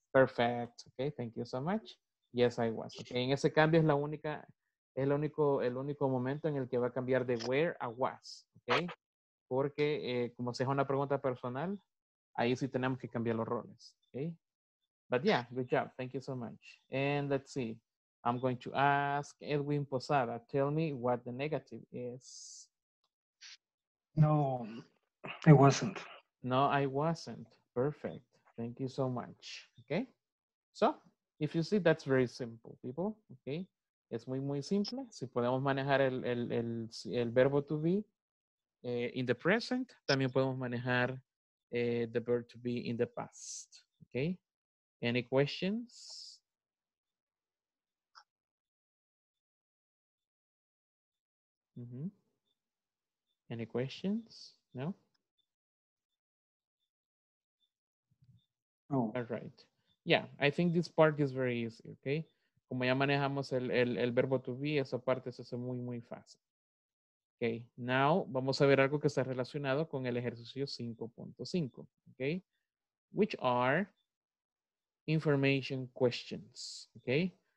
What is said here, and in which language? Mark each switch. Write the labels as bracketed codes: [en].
[en] Perfect. Okay, thank you so much. Yes, I was. [es] Okay, en ese cambio es la única, es el único momento en el que va a cambiar de where a was. Okay, porque como se es una pregunta personal, ahí sí tenemos que cambiar los roles. [en] Okay, but yeah, good job. Thank you so much. And let's see. I'm going to ask Edwin Posada, tell me what the negative is. No, it wasn't. No, I wasn't. Perfect. Thank you so much. Okay. So, if you see, that's very simple, people. [es] Okay. Es muy, muy simple. Si podemos manejar el verbo to be in the present, también podemos manejar the verb to be in the past. Okay. [en] Any questions? Mm-hmm. Any questions? No? Oh. All right. Yeah, I think this part is very easy, okay? [es] Como ya manejamos el verbo to be, esa parte se hace muy, muy fácil. Okay, now vamos a ver algo que está relacionado con el ejercicio 5.5, okay? [en] Which are information questions, okay?